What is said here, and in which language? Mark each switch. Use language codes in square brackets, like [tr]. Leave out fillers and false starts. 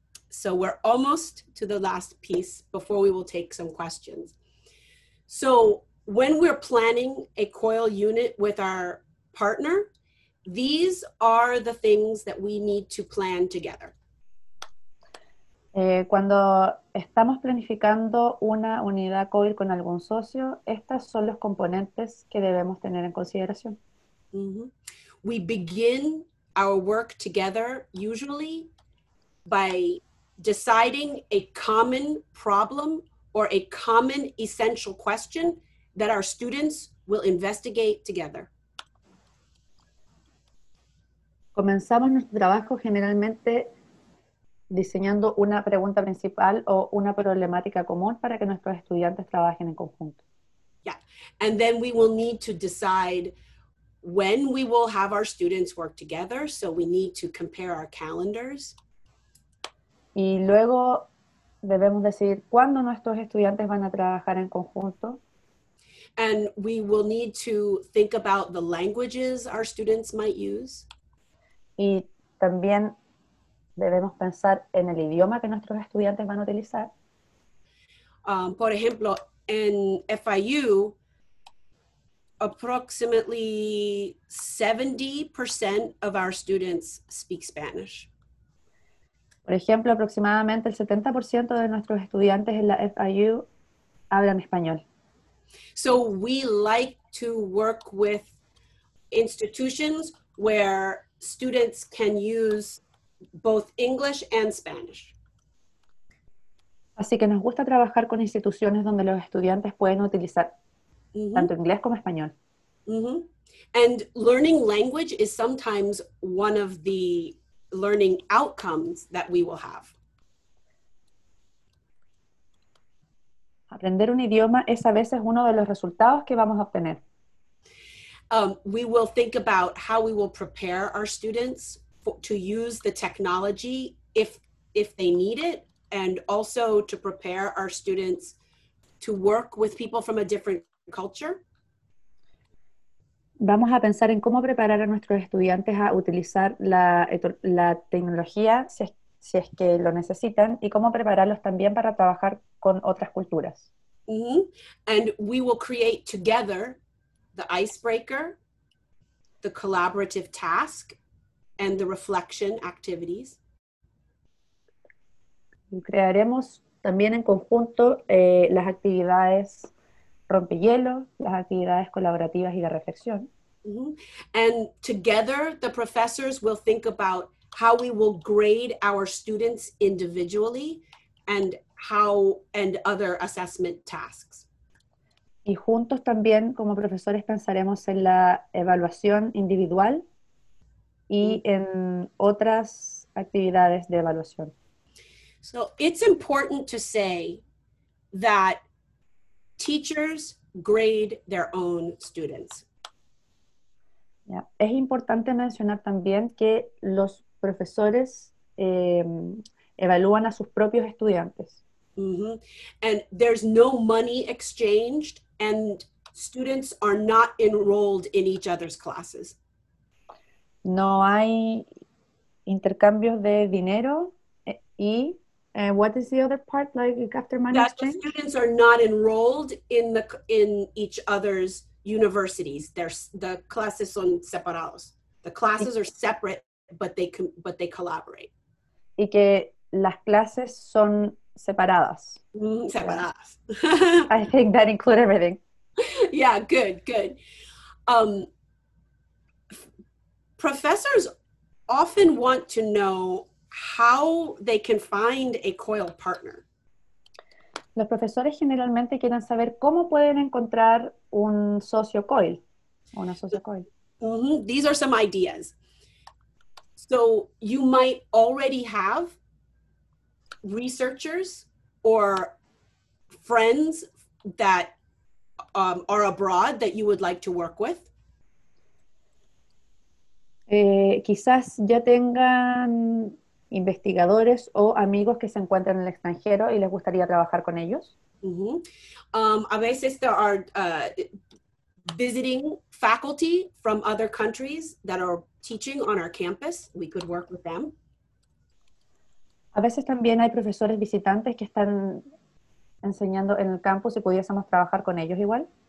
[en] So we're almost to the last piece before we will take some questions. So when we're planning a COIL unit with our partner, these are the things that we need to plan together. [es] Cuando estamos planificando una unidad COIL con algún socio, estos son los componentes que debemos tener en consideración. Mm-hmm. [en] We begin our work together usually by deciding a common problem or a common essential question that our students will investigate together. [es] Comenzamos nuestro trabajo generalmente diseñando una pregunta principal o una problemática común para que nuestros estudiantes trabajen en conjunto. [en] Yeah, and then we will need to decide when we will have our students work together, so we need to compare our calendars. [es] Y luego debemos decidir cuándo nuestros estudiantes van a trabajar en conjunto. [en] And we will need to think about the languages our students might use. [es] Y también debemos pensar en el idioma que nuestros estudiantes van a utilizar. Por ejemplo, en FIU, [en] approximately 70% of our students speak Spanish. [es] Por ejemplo, aproximadamente el 70% de nuestros estudiantes en la FIU hablan español. [en] So we like to work with institutions where students can use both English and Spanish. [es] Así que nos gusta trabajar con instituciones donde los estudiantes pueden utilizar mm-hmm. tanto inglés como español. Mm-hmm. [en] And learning language is sometimes one of the learning outcomes that we will have. [es] Aprender un idioma es a veces uno de los resultados que vamos a obtener. [en] We will think about how we will prepare our students to use the technology if they need it, and also to prepare our students to work with people from a different culture. [es] Vamos a pensar en cómo preparar a nuestros estudiantes a utilizar la tecnología si es que lo necesitan, y cómo prepararlos también para trabajar con otras culturas. [en] Mm-hmm. And we will create together the icebreaker, the collaborative task, and the reflection activities. [es] Crearemos también en conjunto las actividades rompehielo, las actividades colaborativas y de reflexión. [en] Mm-hmm. And together, the professors will think about how we will grade our students individually and how and other assessment tasks. [es] Y juntos también como profesores pensaremos en la evaluación individual y en otras actividades de evaluación. [en] So it's important to say that teachers grade their own students. Yeah. [es] Es importante mencionar también que los profesores evalúan a sus propios estudiantes. Mm-hmm. [en] And there's no money exchanged, and students are not enrolled in each other's classes. [es] No hay intercambios de dinero. [en] Y what is the other part, like after money that exchange? The students are not enrolled in each other's universities. The classes [es] son separados. [en] The classes are separate, but they collaborate. [es] Y que las clases son separadas. Separadas. [en] I think that includes everything. Yeah, good. Professors often want to know how they can find a COIL partner. [es] Los profesores generalmente quieren saber cómo pueden encontrar un socio COIL, una socio COIL. [en] Mm-hmm. These are some ideas. So you might already have researchers or friends that are abroad that you would like to work with. [es] Quizás ya tengan investigadores o amigos que se encuentran en el extranjero y les gustaría trabajar con ellos. Mm-hmm. A veces [en] there are visiting faculty from other countries that are teaching on our campus. We could work with them. [es] A veces también hay profesores visitantes que están enseñando en el campus y pudiésemos trabajar con ellos igual.